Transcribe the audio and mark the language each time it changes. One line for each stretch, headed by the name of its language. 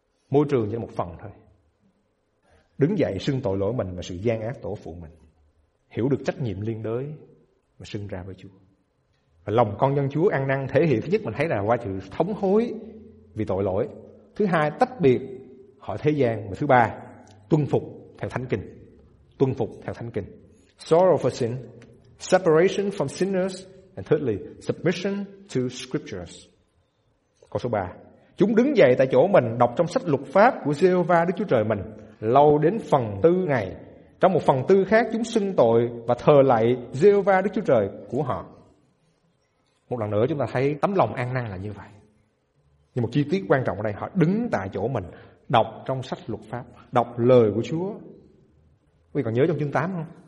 Vietnamese: Môi trường chỉ là một phần thôi. Đứng dậy xưng tội lỗi mình và sự gian ác tổ phụ mình, hiểu được trách nhiệm liên đới mà xưng ra với Chúa. Và lòng con dân Chúa ăn năn thể hiện thứ nhất mình thấy là qua sự thống hối vì tội lỗi. Thứ hai, tách biệt khỏi thế gian. Và thứ ba, tuân phục theo Thánh Kinh. Tuân phục theo Thánh Kinh.
English: Sorrow for sin, separation from sinners, and thirdly, submission to scriptures.
Vietnamese: Câu số 3. Chúng đứng dậy tại chỗ mình, đọc trong sách luật pháp của Giê-hô-va Đức Chúa Trời mình, lâu đến phần tư ngày. Trong một phần tư khác, chúng xưng tội và thờ lạy Giê-hô-va Đức Chúa Trời của họ. Một lần nữa chúng ta thấy tấm lòng ăn năn là như vậy. Nhưng một chi tiết quan trọng ở đây, họ đứng tại chỗ mình, đọc trong sách luật pháp, đọc lời của Chúa. Quý vị còn nhớ trong chương 8 không?